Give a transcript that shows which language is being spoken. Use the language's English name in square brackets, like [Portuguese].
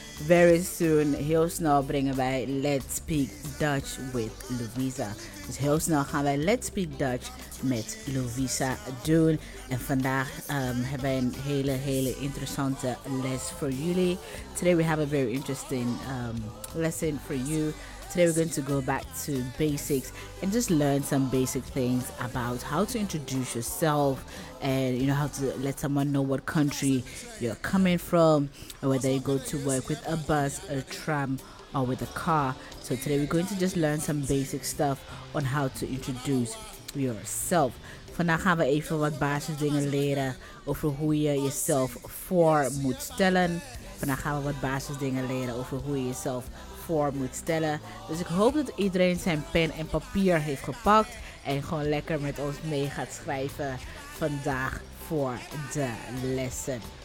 [English] Very soon, Hilsnor bringing by Let's Speak Dutch with Louisa. [Dutch] Dus Hilsnor gaan wij Let's Speak Dutch met Louisa doen. En vandaag hebben wij een hele, hele interessante les voor jullie. [English] Today we have a very interesting lesson for you. Today we're going to go back to basics and just learn some basic things about how to introduce yourself and, you know, how to let someone know what country you're coming from, or whether you go to work with a bus, a tram, or with a car. So today we're going to just learn some basic stuff on how to introduce yourself. [Dutch] Vandaag gaan we even wat basisdingen leren over hoe je jezelf voor moet stellen. Vandaag gaan we wat basisdingen leren over hoe je jezelf voor moet stellen. Dus ik hoop dat iedereen zijn pen en papier heeft gepakt en gewoon lekker met ons mee gaat schrijven vandaag voor de lessen.